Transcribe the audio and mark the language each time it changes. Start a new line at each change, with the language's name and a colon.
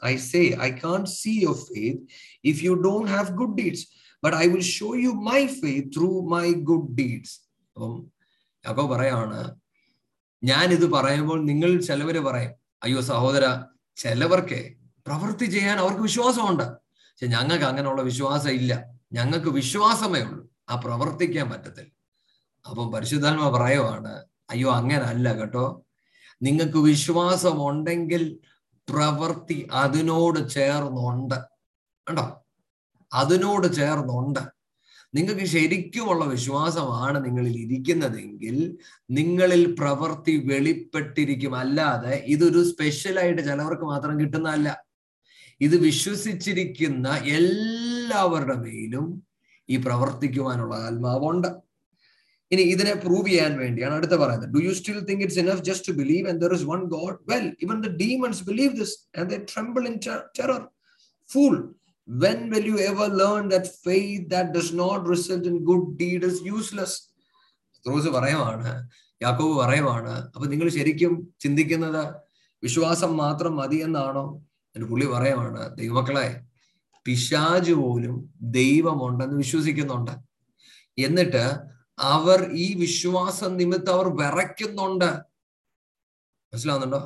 English: I say, I can't see your faith if you don't have good deeds, but I will show you my faith through my good deeds.
Malayalam: അപ്പം യാക്കോബ് പറയാണ്, ഞാൻ ഇത് പറയുമ്പോൾ നിങ്ങൾ ചിലവര് പറയും, അയ്യോ സഹോദര, ചിലവർക്ക് പ്രവൃത്തി ചെയ്യാൻ അവർക്ക് വിശ്വാസമുണ്ട്, പക്ഷെ ഞങ്ങൾക്ക് അങ്ങനെയുള്ള വിശ്വാസം ഇല്ല. ഞങ്ങൾക്ക് വിശ്വാസമേ ഉള്ളൂ, ആ പ്രവർത്തിക്കാൻ പറ്റത്തില്ല. അപ്പം പരിശുദ്ധാത്മ പറയുവാണ്, അയ്യോ അങ്ങനല്ല കേട്ടോ, നിങ്ങൾക്ക് വിശ്വാസമുണ്ടെങ്കിൽ പ്രവൃത്തി അതിനോട് ചേർന്നുണ്ട് കേട്ടോ, അതിനോട് ചേർന്നുണ്ട്. നിങ്ങൾക്ക് ശരിക്കുമുള്ള വിശ്വാസമാണ് നിങ്ങളിൽ ഇരിക്കുന്നതെങ്കിൽ നിങ്ങളിൽ പ്രവൃത്തി വെളിപ്പെട്ടിരിക്കും. അല്ലാതെ ഇതൊരു സ്പെഷ്യലായിട്ട് ചിലവർക്ക് മാത്രം കിട്ടുന്നതല്ല, ഇത് വിശ്വസിച്ചിരിക്കുന്ന എല്ലാവരുടെ മേലും ഈ പ്രവർത്തിക്കുവാനുള്ള ആത്മാവുണ്ട്. ഇനി ഇതിനെ പ്രൂവ് ചെയ്യാൻ വേണ്ടിയാണ് അടുത്ത് പറയുന്നത്.
English: Do you still think it's enough just to believe and there is one God? Well, even the demons believe this and they tremble in terror. Fool, when will you ever learn that faith that does not result in good deed is useless?
Malayalam: Throws പറയുവാണ്, യാക്കോബ് പറയുവാണ്, അപ്പൊ നിങ്ങൾ ശരിക്കും ചിന്തിക്കുന്നത് വിശ്വാസം മാത്രം മതി എന്നാണോ? എന്റെ പുള്ളി പറയുവാണ്, ദൈവമക്കളെ, പിശാചു പോലും ദൈവമുണ്ടെന്ന് വിശ്വസിക്കുന്നുണ്ട്. എന്നിട്ട് അവർ ഈ വിശ്വാസം നിമിത്തം അവർ വിറയ്ക്കുന്നുണ്ട്. മനസ്സിലാവുന്നുണ്ടോ?